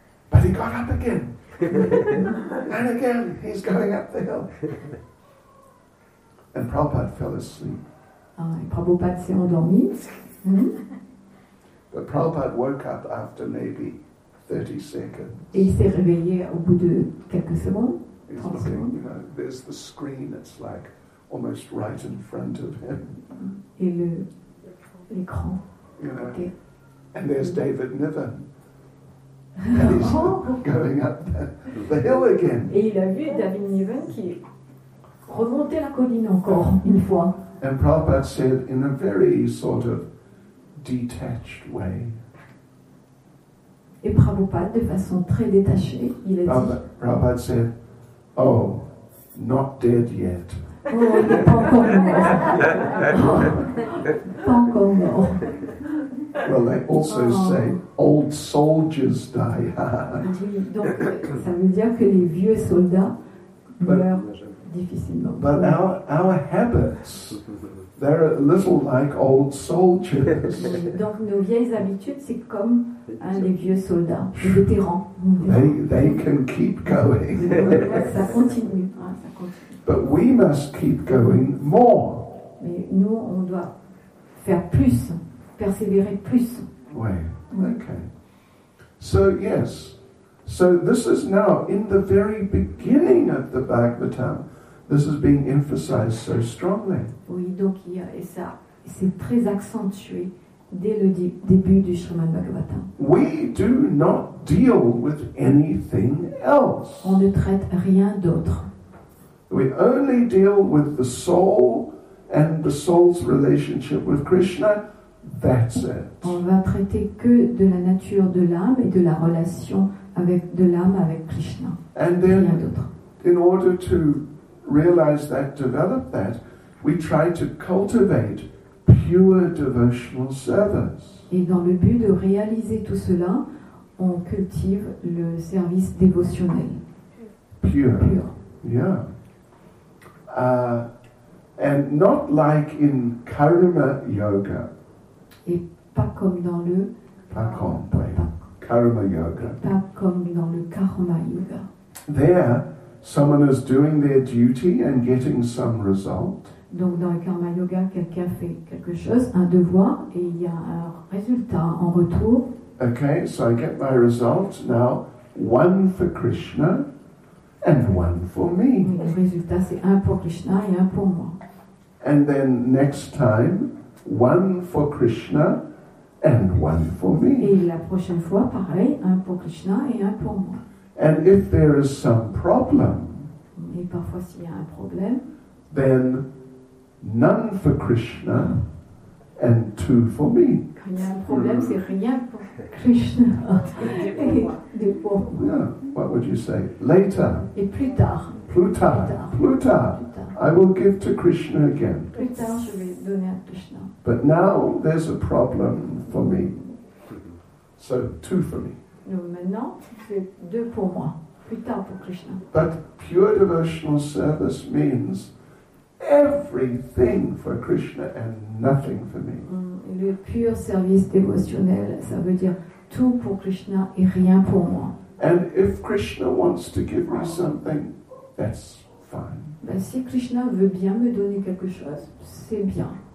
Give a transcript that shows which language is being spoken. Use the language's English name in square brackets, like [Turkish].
[English] But he got up again. And again he's going up the hill. And Prabhupada fell asleep. [French] Prabhupada s'est endormi. [English] But Prabhupada woke up after maybe 30 seconds. [French] Et il s'est réveillé au bout de quelques secondes. [English] He's looking, you know, there's the screen, it's like almost right in front of him. [French] Et l'écran. [English] You know, okay. And there's David Niven. And he's going up the hill again. [French] Et il a vu David Niven qui remontait la colline encore une fois. [English] And Prabhupada said in a very sort of detached way. [French] Et Prabhupada, de façon très détachée, il a dit. [English] Prabhupada said, "Oh, not dead yet." [French] Oh, il n'est pas encore mort. Pas encore mort. [English] Well, they also say old soldiers die hard. [French] Oui, donc ça veut dire que les vieux soldats meurent difficilement. [English] But our habits. They're a little like old soldiers. [French] Donc nos vieilles habitudes, c'est comme les vieux soldats, les vétérans. [English] They can keep going. [French] Ça continue. [English] But we must keep going more. [French] Mais nous, on doit faire plus, persévérer plus. Oui, okay. [English] So yes, so this is now in the very beginning of the Bhagavatam. This is being emphasized so strongly. [French] Oui, donc il y a, et ça, c'est très accentué dès le début du Srimad Bhagavatam. [English] We do not deal with anything else. [French] On ne traite rien d'autre. [English] We only deal with the soul and the soul's relationship with Krishna. That's it. [French] On va traiter que de la nature de l'âme et de la relation avec de l'âme avec Krishna. [English] And then, [French] rien d'autre. [English] In order to realize that, develop that, we try to cultivate pure devotional service. [French] Et dans le but de réaliser tout cela, on cultive le service dévotionnel. [English] Pure. Yeah. And not like in karma yoga. [French] Et pas comme dans le karma yoga. Pas comme dans le karma yoga. [English] There, someone is doing their duty and getting some result. [French] Donc dans le karma yoga, quelqu'un fait quelque chose, un devoir, et il y a un résultat en retour. [English] Okay, so I get my result now, one for Krishna and one for me. [French] Et le résultat, c'est un pour Krishna et un pour moi. [English] And then next time, one for Krishna and one for me. [French] Et la prochaine fois, pareil, un pour Krishna et un pour moi. [English] And if there is some problem, [French] et parfois, s'il y a un problème, [English] then none for Krishna and two for me. [French] Quand il y a un problème, c'est rien pour Krishna et deux pour moi. [English] Yeah, what would you say? Later. [French] Et plus tard. Plus tard. [English] I will give to Krishna again. [French] Plus tard, je vais donner à Krishna. [English] But now there's a problem for me. So two for me. [French] Donc maintenant, c'est deux pour moi, plus tard pour Krishna. [English] But pure devotional service means everything for Krishna and nothing for me. [French] Le pur service dévotionnel, ça veut dire tout pour Krishna et rien pour moi. [English] And if Krishna wants to give me something, that's fine. [French] Ben, si Krishna veut bien me donner quelque chose, c'est bien.